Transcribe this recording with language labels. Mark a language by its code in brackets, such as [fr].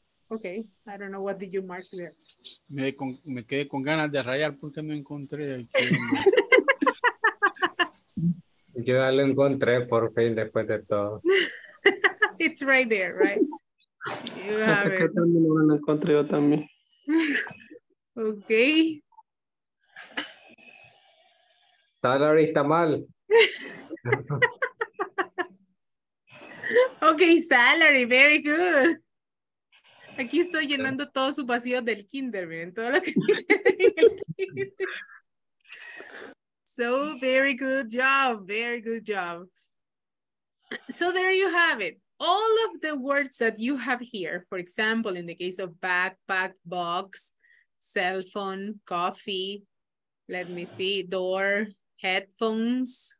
[en] Okay, I don't know what did you mark there. [es] Me quedé con ganas de rayar porque no encontré. Yo ya lo encontré por fin después de todo. [en] It's right there, right? You have it. [es] También lo encontré yo también. [en] Okay. [es] Salary está mal. [en] Okay, salary, very good. [es] Aquí estoy llenando todo su vacío del kinder, miren, todo lo que dice en el kinder. [en] So, very good job, very good job. So, there you have it. All of the words that you have here, for example, in the case of backpack, box, cell phone, coffee, let me see, door, headphones.